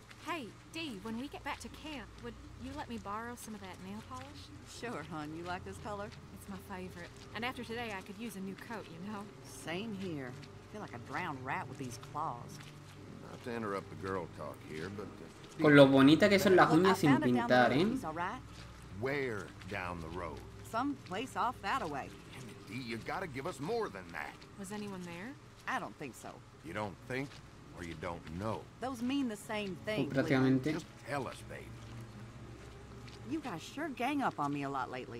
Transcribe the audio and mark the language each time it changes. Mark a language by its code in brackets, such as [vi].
[en] Hey, Dee, when we get back to camp, would you let me borrow some of that nail polish? Sure, hon. You like this color? It's my favorite. And after today, I could use a new coat, you know? Same here. I feel like a drowned rat with these claws. Not to interrupt the girl talk here, but... [es] Con lo bonita que son las uñas sin pintar, ¿eh? [en] Where down the road? Some place off that away. Indeed, you gotta give us more than that. Was anyone there? I don't think so. You don't think, or you don't know. Those mean the same thing. [es] Prácticamente. [en] Just tell us, baby. You guys sure gang up on me a lot lately.